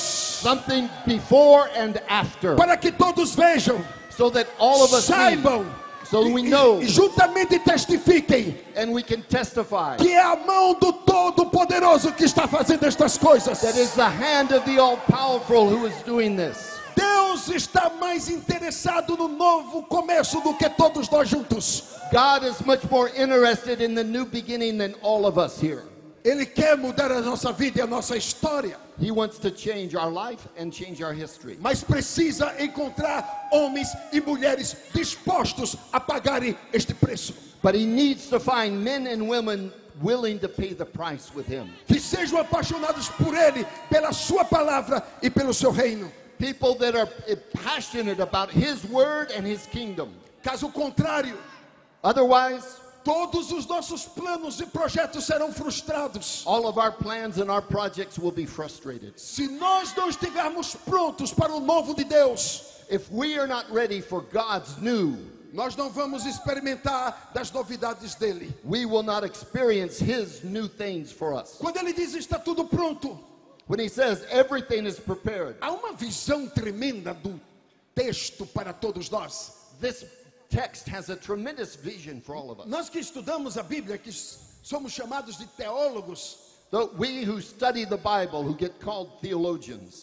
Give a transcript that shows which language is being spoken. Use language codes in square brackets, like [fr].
[en] Something before and after. [pt] Para que todos vejam. [en] So that all of us [pt] saibam. [en] See. So we know, [pt] juntamente testifiquem, [en] and we can testify, [pt] que é a mão do Todo-Poderoso que está fazendo estas coisas. [en] That is the hand of the All-Powerful who is doing this. [pt] Deus está mais interessado no novo começo do que todos nós juntos. [en] God is much more interested in the new beginning than all of us here. [pt] Ele quer mudar a nossa vida e a nossa história. [en] He wants to change our life and change our history. [pt] Mas precisa encontrar homens e mulheres dispostos a pagarem este preço. [en] But he needs to find men and women willing to pay the price with him. [pt] Que sejam apaixonados por ele, pela sua palavra e pelo seu reino. [en] People that are passionate about his word and his kingdom. [pt] Caso contrário, [en] otherwise, [pt] todos os nossos planos e projetos serão frustrados. [en] All of our plans and our projects will be frustrated. [pt] Se nós não estivermos prontos para o novo de Deus, [en] if we are not ready for God's new, [pt] nós não vamos experimentar das novidades dele. [en] We will not experience his new things for us. [pt] Quando ele diz está tudo pronto, [en] when he says everything is prepared, [pt] há uma visão tremenda do texto para todos nós. [en] This text has a tremendous vision for all of us. [pt] Nós que estudamos a Bíblia, que somos chamados de teólogos, [en] we who study the Bible, who get called theologians,